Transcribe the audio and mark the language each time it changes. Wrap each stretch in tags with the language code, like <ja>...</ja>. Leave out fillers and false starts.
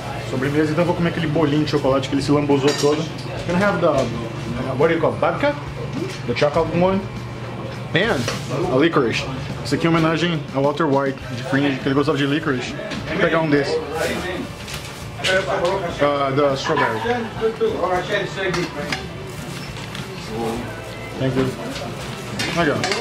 <pt>Sobremesa, então eu vou comer aquele bolinho de chocolate que ele se lambuzou todo.</pt> <en>Can I have the, what do you call, babka? The chocolate one? And a licorice.</en> <pt>Isso aqui é uma homenagem ao Walter White, de Fringe, que ele gostava de licorice. Vou pegar um desse.</pt> <en>The strawberry. Thank you.</en> <pt>Legal.</pt>